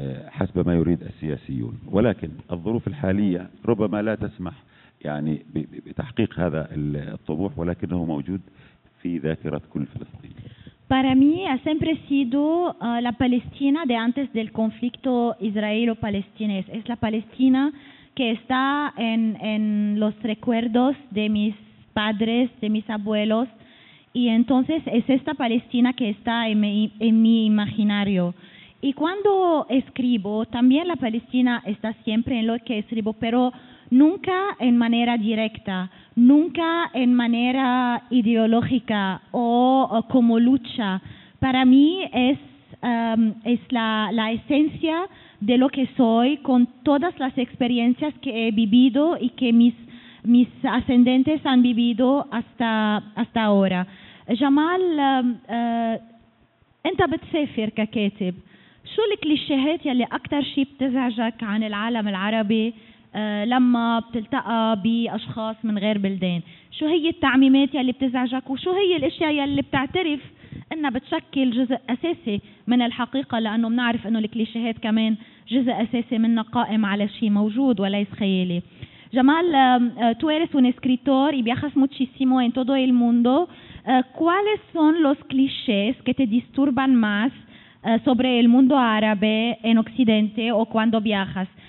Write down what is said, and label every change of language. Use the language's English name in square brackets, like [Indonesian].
[Arabic] حسب ما يريد السياسيون، ولكن الظروف الحالية ربما لا تسمح يعني بتحقيق هذا الطموح، ولكنه موجود في ذاكرة كل فلسطيني. [Spanish] Para mí ha siempre sido la Palestina de antes del conflicto israelo-palestinés. Es la Palestina que está en los recuerdos de mis padres, de mis abuelos, y entonces es esta Palestina que está en mi imaginario. Y cuando escribo, también la Palestina está siempre en lo que escribo, pero nunca en manera directa, nunca en manera ideológica o como lucha. Para mí es la esencia de lo que soy, con todas las experiencias que he vivido y que mis ascendentes han vivido hasta ahora. [Arabic] Jamal, أنت بتسافر ككاتب. شو الكليشيهات يلي أكتر شي بتزعجك عن العالم العربي لما بتلتقى بأشخاص من غير بلدان؟ شو هي التعميمات يلي بتزعجك، وشو هي الأشياء يلي بتعترف إنها بتشكل جزء أساسي من الحقيقة، لأنه منعرف إنه الكليشيهات كمان جزء أساسي منها قائم على شي موجود وليس خيالي. [Spanish] جمال، tú eres un escritor y viajas muchísimo en todo el mundo. ¿Cuáles son los clichés que te disturban más sobre el mundo árabe en Occidente o cuando viajas?